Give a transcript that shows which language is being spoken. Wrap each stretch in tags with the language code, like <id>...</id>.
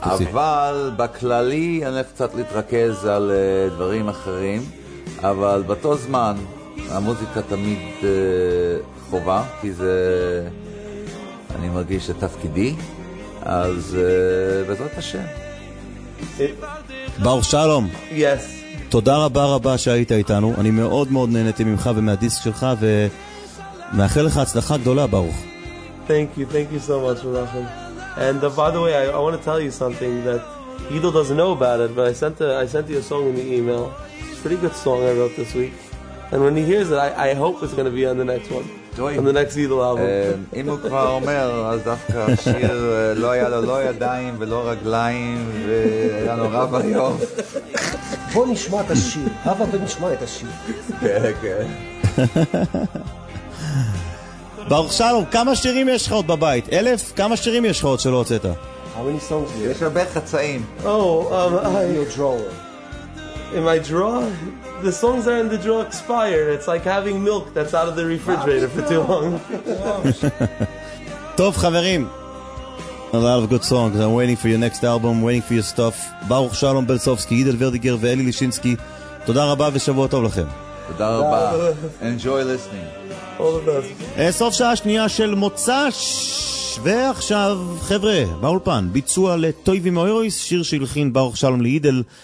<he>אבל בכללי אני קצת להתרכז על דברים אחרים, אבל באותו זמן המוזיקה תמיד חובה, כי זה אני מרגיש שתפקידי, אז בעזרת השם. ברוך שלום.</he> <en>Yes.</en> <he>תודה רבה רבה שהיית איתנו, אני מאוד מאוד נהניתי ממך ומהדיסק שלך, ומאחל לך הצלחה גדולה ברוך.</he> <en>Thank you so much for that. And by the way, I want to tell you something that Ido doesn't know about it, but I sent you a song in the email. It's a pretty good song I wrote this week. And when he hears it, I hope it's going to be on the next one. Doi. On the next Eidl album.</en> <he>אם הוא כבר אומר, אז דווקא השיר לא היה לו לא ידיים ולא רגליים והיה לו רב היום. בוא נשמע את השיר. אבא ונשמע את השיר. כן. ברוך שלום, כמה שירים יש לך עוד בבית? 1,000? כמה שירים יש לך עוד שלא הוצאת?</he> <en>How many songs do you have?</en> <he>יש הרבה חצאים.</he> <en>Oh, in your drawer. In my drawer? The songs are in the drawer expired. It's like having milk that's out of the refrigerator for too long.</en> <he>טוב חברים,</he> <en>a lot of good songs. I'm waiting for your next album, waiting for your stuff.</en> <he>ברוך שלום בלסובסקי, אידל ורדיגר ואלי לישינסקי, תודה רבה ושבוע טוב לכם. תודה רבה.</he> <en>Enjoy listening. All the</en> <he>סוף שעה שנייה של מוצ"ש, ועכשיו חבר'ה באולפן, ביצוע לטויבי מאויס, שיר שהלחין ברוך שלום לאידל.</he>